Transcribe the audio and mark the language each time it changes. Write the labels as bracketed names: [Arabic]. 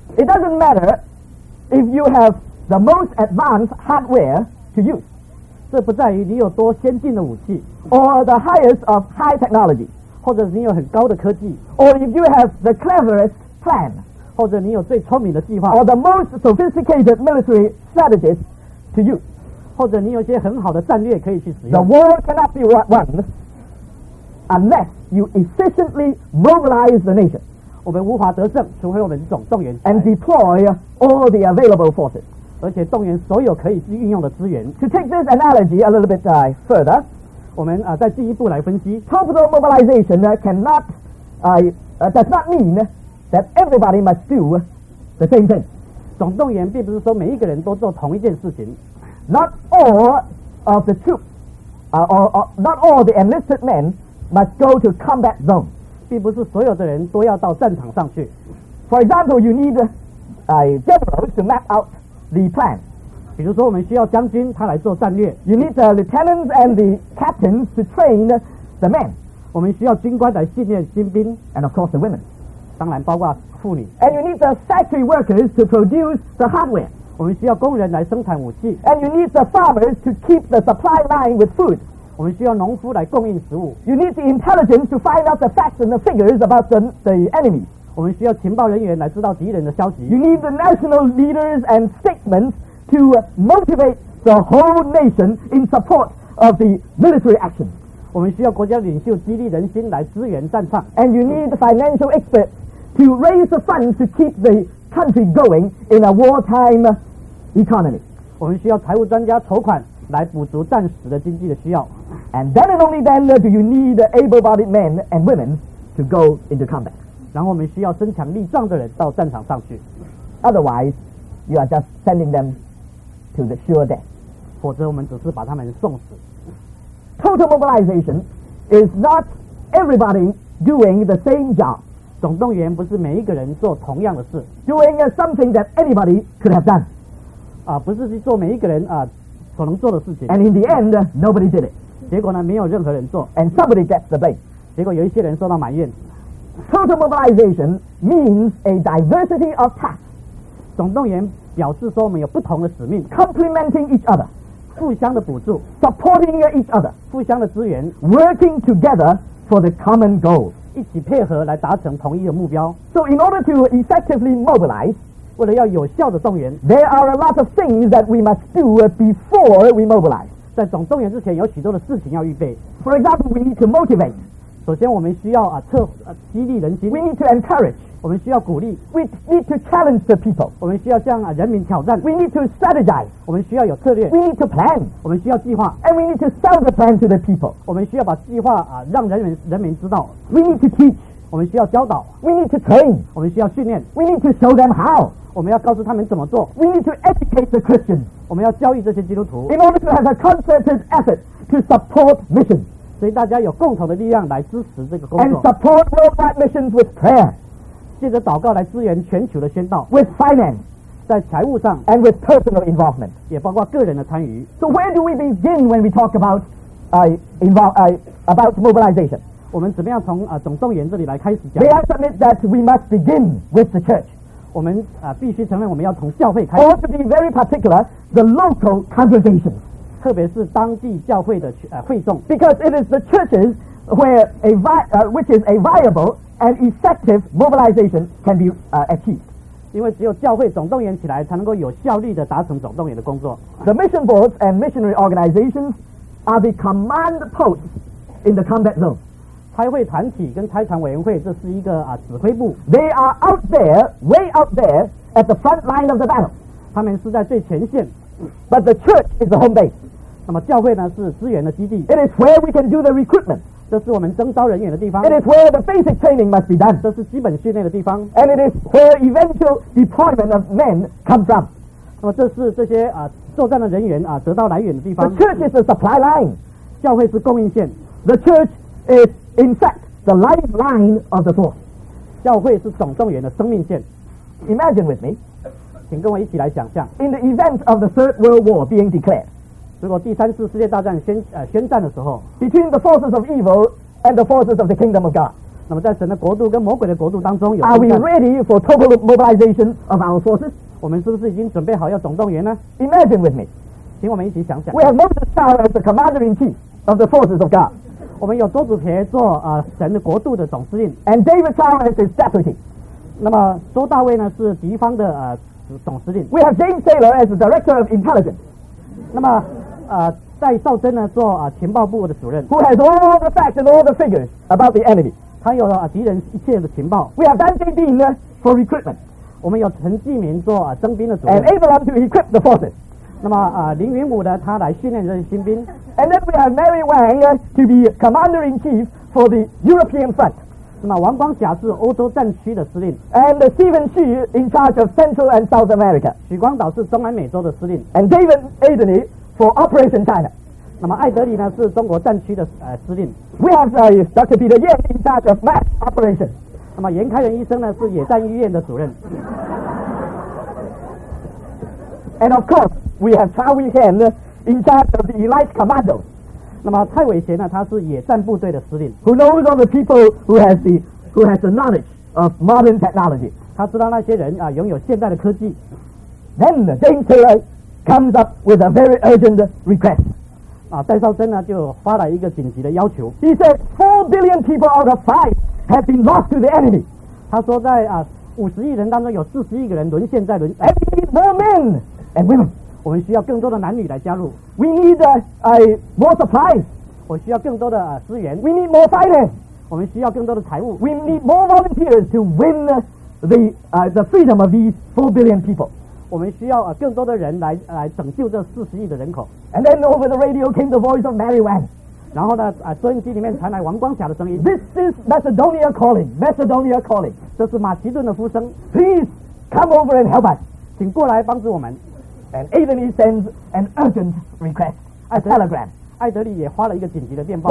[English] It doesn't matter if you have the most advanced hardware to use [Chinese] 这不在于你有多先进的武器 [English] Or the highest of high technology [Chinese] 或者你有很高的科技 [English] Or if you have the cleverest plan [Chinese] 或者你有最聪明的计划 [English] Or the most sophisticated military strategies to use [Chinese] 或者你有一些很好的战略可以去使用 [English] The war cannot be won unless you efficiently mobilize the nation [Chinese] 我们无法得胜除非我们总动员 [English] and deploy all the available forces [Chinese] 而且动员所有可以运用的资源 [English] to take this analogy a little bit further [Chinese] 我们再进一步来分析 [English] total mobilization cannot does not mean that everybody must do the same thing [Chinese] 总动员并不是说每一个人都做同一件事情 [English] not all of the troops not all the enlisted men must go to combat zone [Chinese] 并不是所有的人都要到战场上去 [English] For example, you need generals to map out the plan [Chinese] 比如说我们需要将军他来做战略 [English] You need the lieutenants and the captains to train the men [Chinese] 我们需要军官来训练新兵 [English] And of course the women [Chinese] 当然包括妇女 [English] And you need the factory workers to produce the hardware [Chinese] 我们需要工人来生产武器 [English] And you need the farmers to keep the supply line with food [Chinese] 我们需要农夫来供应食物 [English] You need the intelligence to find out the facts and the figures about the enemy [Chinese] 我们需要情报人员来知道敌人的消息 [English] You need the national leaders and statements to motivate the whole nation in support of the military action [Chinese] 我们需要国家领袖激励人心来支援战场 [English] And you need the financial experts to raise the funds to keep the country going in a wartime economy [Chinese] 我们需要财务专家筹款来补足暂时的经济的需要 [English] And then and only then do you need able-bodied men and women to go into combat [Chinese] 然后我们需要身强力壮的人到战场上去 [English] Otherwise, you are just sending them to the sure death [Chinese] 否则我们只是把他们送死 [English] Total mobilization is not everybody doing the same job [Chinese] 总动员不是每一个人做同样的事 [English] Doing something that anybody could have done [Chinese] 不是去做每一个人所能做的事情 [English] and in the end nobody did it [Chinese] 结果呢没有任何人做 [English] and somebody gets the blame [Chinese] 结果有一些人受到埋怨 [English] total mobilization means a diversity of tasks [Chinese] 总动员表示说我们有不同的使命 [English] complementing each other [Chinese] 互相的补助 [English] supporting each other [Chinese] 互相的支援 [English] working together for the common goal. [Chinese] 一起配合来达成同一的目标。 [English] So in order to effectively mobilize, [Chinese] 为了要有效的动员， [English] there are a lot of things that we must do before we mobilize. [Chinese] 在总动员之前，有许多的事情要预备。 [English] For example, we need to motivate. [Chinese] 首先，我们需要激励人心。 [English] We need to encourage. [Chinese] 我们需要鼓励。 [English] We need to challenge the people. [Chinese] 我们需要向人民挑战。 [English] We need to strategize. [Chinese] 我们需要有策略。 [English] We need to plan. [Chinese] 我们需要计划。 [English] And we need to sell the plan to the people. [Chinese] 我们需要把计划让人民知道。 [English] We need to teach. [Chinese] 我们需要教导。 [English] We need to train. [Chinese] 我们需要训练。 [English] We need to show them how. [Chinese] 我们要告诉他们怎么做。 [English] We need to educate the Christians. [Chinese] 我们要教育这些基督徒。 [English] In order to have a concerted effort to support missions. [Chinese] 所以大家有共同的力量来支持这个工作。 [English] And support worldwide missions with prayer. [Chinese] 借着祷告来支援全球的宣道。 [English] With finance. [Chinese] 在财务上。 [English] And with personal involvement. [Chinese] 也包括个人的参与。 [English] So where do we begin when we talk about, about mobilization? [Chinese] 我们怎么样从总动员这里来开始讲 [English] ？May I submit that we must begin with the church. [Chinese] 我们必须承认我们要从教会开始。 [English] Or to be very particular, the local congregations, [Chinese] 特别是当地教会的会众。 [English] Because it is the churches which is a viable and effective mobilization can be achieved. [Chinese] 因为只有教会总动员起来，才能够有效率的达成总动员的工作。 [English] The mission boards and missionary organizations are the command posts in the combat zone. [Chinese] 差会团体跟差团委员会，这是一个指挥部。 [English] They are out there, way out there, at the front line of the battle. [Chinese] 他们是在最前线。 [English] But the church is the home base. [Chinese] 那么教会呢是支援的基地。 [English] It is where we can do the recruitment. [Chinese] 这是我们征召人员的地方。 [English] It is where the basic training must be done. [Chinese] 这是基本训练的地方。 [English] And it is where eventual deployment of men come from. [Chinese] 那么这是这些作战的人员得到来源的地方。 [English] The church is the supply line. [Chinese] 教会是供应线。 [English] The church is. In fact, the lifeline of the force. [Chinese] 教会是总动员的生命线。 [English] Imagine with me. [Chinese] 请跟我一起来想象。 [English] In the event of the Third World War being declared. [Chinese] 如果第三次世界大战宣战的时候。 [English] Between the forces of evil and the forces of the kingdom of God. [Chinese] 那么在神的国度跟魔鬼的国度当中有。 [English] Are we ready for total mobilization of our forces? [Chinese] 我们是不是已经准备好要总动员呢？ [English] Imagine with me. [Chinese] 请我们一起想想。 [English] We have Moses Star as the commander-in-chief of the forces of God. [Chinese] 我们有周子培做神的国度的总司令 [English] ，and David Tower is his deputy。 [Chinese] 那么周大卫呢是敌方的总司令。 [English] We have James Taylor as the director of intelligence。 [Chinese] 那么戴少珍呢做情报部的主任。 [English] Who has all the facts and all the figures about the enemy？ [Chinese] 他有敌人一切的情报。 [English] We have Dan Dean呢 for recruitment。 [Chinese] 我们有陈继民做征兵的主任。 [English] And Abraham to equip the forces。 [Chinese] 那么林云武呢他来训练这些新兵。 [English] And then we have Mary Wang to be commander-in-chief for the European front. [Chinese] 那么王光霞是欧洲战区的司令。 [English] And Stephen Xu in charge of Central and South America. [Chinese] 许光导是中南美洲的司令。 [English] And David Adeney for Operation China. [Chinese] 那么艾德里呢是中国战区的司令。 [English] We have Dr. Peter Yen in charge of mass operation. [Chinese] 那么严开仁医生呢是野战医院的主任。 [English] And of course, we have Cha Wei-hen in charge of the elite commando. [Chinese] 那么蔡伟贤呢，他是野战部队的司令。 [English] Who knows all the people who has the knowledge of modern technology? [Chinese] 他知道那些人拥有现代的科技。 [English] Then James Taylor comes up with a very urgent request. [Chinese] 戴少珍呢就发了一个紧急的要求。 [English] He said 4 billion people out of 5 have been lost to the enemy. [Chinese] 他说在50亿人当中有41个人沦陷在 [English] And we need more men and women. [Chinese] 我们需要更多的男女来加入。 [English] We need more supplies. [Chinese] 我需要更多的资源。 [English] We need more finance. [Chinese] 我们需要更多的财务。 [English] We need more volunteers to win the freedom of these 4 billion people. [Chinese] 我们需要更多的人来拯救这40亿的人口。 [English] And then over the radio came the voice of Mary Wang. [Chinese] 然后呢，收音机里面传来王光霞的声音。 [English] This is Macedonia calling. Macedonia calling. [Chinese] 这是马其顿的呼声。 [English] Please come over and help us. [Chinese] 请过来帮助我们。 [English] And Adeney sends an urgent request, a telegram. [Chinese] 艾德利也发了一个紧急的电报。